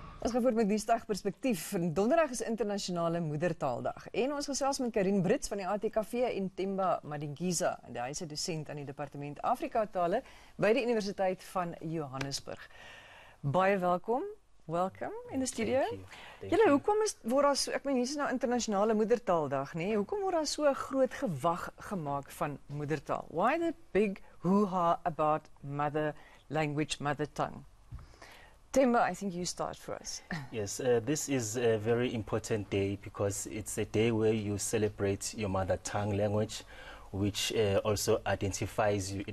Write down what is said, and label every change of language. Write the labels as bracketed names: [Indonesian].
[Afrikaans] gevoer met Dinsdag Perspektief. Donderdag is Internationale Moedertaaldag. En ons gesels met Karin Brits van die ATKV en Themba Madingiza. Hy is 'n docent aan die Departement Afrika Tale by die Universiteit van Johannesburg. Baie welkom. Welkom in de studio. Julle, hoekom is waar daar so, ek meen, hier is nou Internationale Moedertaaldag, nee? Hoekom word daar so 'n groot gewag gemaak van moedertaal? [English] Why the big hoo-ha about mother language, mother tongue? Themba, I think you start for us. Yes, this is a very important day because it's a day where you celebrate your mother tongue language, which also identifies you.